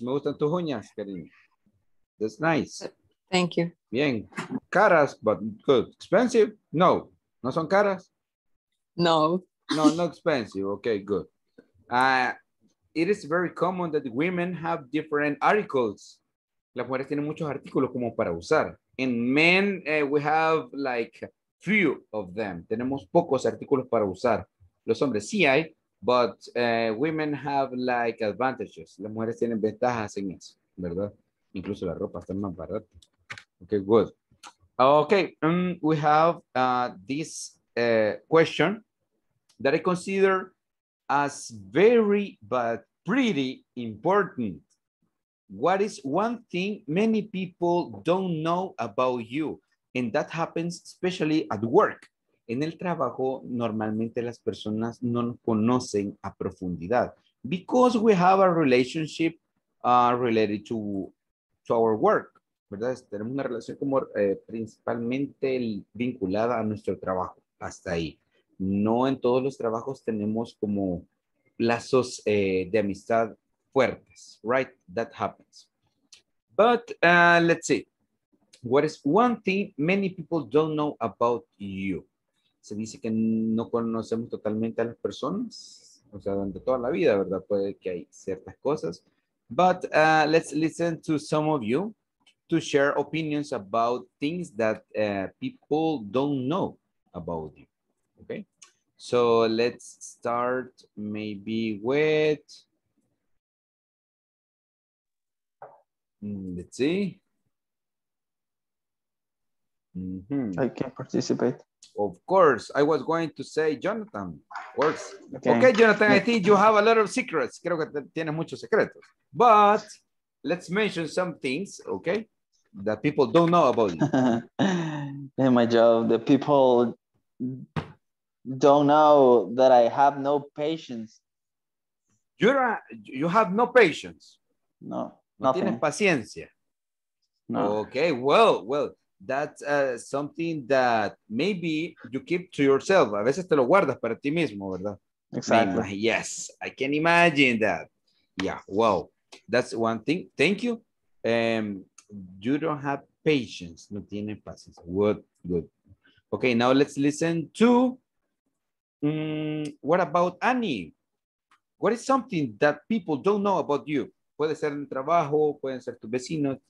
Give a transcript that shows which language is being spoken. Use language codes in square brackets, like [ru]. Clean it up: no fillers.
[es] Me gustan tus uñas, Karina. [en] That's nice. Thank you. [es] Bien. Caras, [en] but good. Expensive? [es] No. ¿No son caras? No. [en] No, not expensive. Okay, good. It is very common that women have different articles. [es] Las mujeres tienen muchos artículos como para usar. [en] In men, we have like few of them. [es] Tenemos pocos artículos para usar. Los hombres sí hay, [en] but women have like advantages. [es] Las mujeres tienen ventajas en eso, ¿verdad? Incluso la ropa está más barata. Okay, good. [en] Okay, we have this question that I consider as very, but pretty important. What is one thing many people don't know about you? And that happens especially at work. [es] En el trabajo, normalmente las personas no nos conocen a profundidad. [en] Because we have a relationship related to our work. [es] ¿Verdad? Tenemos una relación como principalmente vinculada a nuestro trabajo. Hasta ahí. No en todos los trabajos tenemos como lazos de amistad fuertes, right? [en] That happens. But let's see. What is one thing many people don't know about you? [es] Se dice que no conocemos totalmente a las personas. O sea, durante toda la vida, ¿verdad? Puede que hay ciertas cosas. [en] But let's listen to some of you to share opinions about things that people don't know about you. Okay? So let's start maybe with... Let's see. Mm-hmm. I can participate. Of course, I was going to say Jonathan. Of course. Okay, Jonathan, I think you have a lot of secrets. [es] Creo que tienes muchos secretos. [en] But let's mention some things, okay, that people don't know about you. In my job, the people don't know that I have no patience. You have no patience? No. [es] No tienes paciencia. No. [en] Okay, well. That's something that maybe you keep to yourself. [es] A veces te lo guardas para ti mismo, ¿verdad? [en] Exactly. Yes, I can imagine that. Yeah, wow. That's one thing. Thank you. You don't have patience. [es] No tiene paciencia. [en] Good. Okay, now let's listen to... what about Annie? What is something that people don't know about you? [es] Puede ser un trabajo, pueden ser tus vecinos.